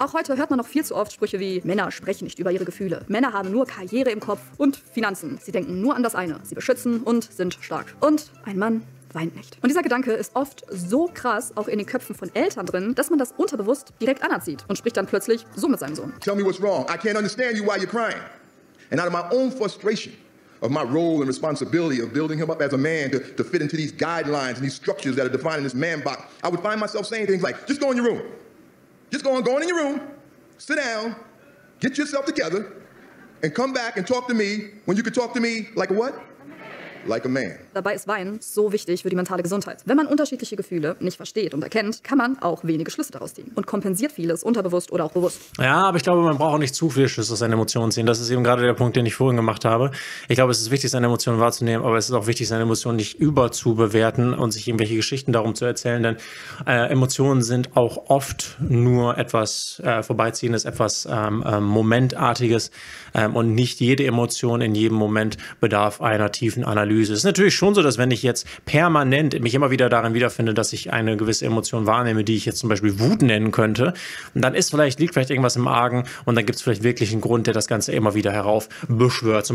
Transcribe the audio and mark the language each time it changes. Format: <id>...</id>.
<de>Auch heute hört man noch viel zu oft Sprüche wie Männer sprechen nicht über ihre Gefühle. Männer haben nur Karriere im Kopf und Finanzen. Sie denken nur an das eine. Sie beschützen und sind stark. Und ein Mann weint nicht. Und dieser Gedanke ist oft so krass, auch in den Köpfen von Eltern drin, dass man das unterbewusst direkt anerzieht und spricht dann plötzlich so mit seinem Sohn.</de> <en>Tell me what's wrong. I can't understand you why you're crying. And out of my own frustration of my role and responsibility of building him up as a man to fit into these guidelines and these structures that are defining this man box, I would find myself saying things like, just go in your room. Just go on in your room, sit down, get yourself together, and come back and talk to me when you can talk to me like what? Like a man.</en> <de>Dabei ist Weinen so wichtig für die mentale Gesundheit. Wenn man unterschiedliche Gefühle nicht versteht und erkennt, kann man auch wenige Schlüsse daraus ziehen und kompensiert vieles unterbewusst oder auch bewusst. Ja, aber ich glaube, man braucht auch nicht zu viele Schlüsse aus seinen Emotionen ziehen. Das ist eben gerade der Punkt, den ich vorhin gemacht habe. Ich glaube, es ist wichtig, seine Emotionen wahrzunehmen, aber es ist auch wichtig, seine Emotionen nicht überzubewerten und sich irgendwelche Geschichten darum zu erzählen, denn Emotionen sind auch oft nur etwas Vorbeiziehendes, etwas Momentartiges und nicht jede Emotion in jedem Moment bedarf einer tiefen Analyse. Es ist natürlich schon so, dass wenn ich jetzt permanent mich immer wieder darin wiederfinde, dass ich eine gewisse Emotion wahrnehme, die ich jetzt zum Beispiel Wut nennen könnte, dann liegt vielleicht irgendwas im Argen und dann gibt es vielleicht wirklich einen Grund, der das Ganze immer wieder heraufbeschwört.</de>